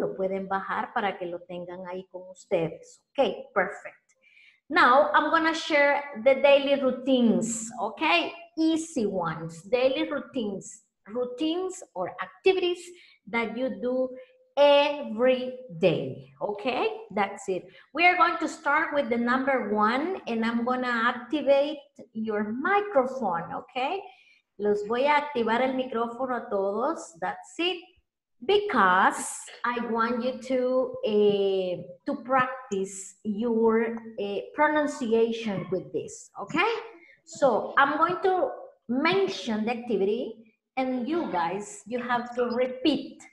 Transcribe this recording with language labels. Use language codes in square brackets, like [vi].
[es] Lo pueden bajar para que lo tengan ahí con ustedes. [en] Okay, perfect. Now, I'm going to share the daily routines. Okay, easy ones. Daily routines. Routines or activities that you do every day. Okay, that's it. We are going to start with the number one. And I'm going to activate your microphone. Okay. [es] Los voy a activar el micrófono a todos. [en] That's it. Because I want you to practice your pronunciation with this. Okay? So I'm going to mention the activity and you guys, you have to repeat.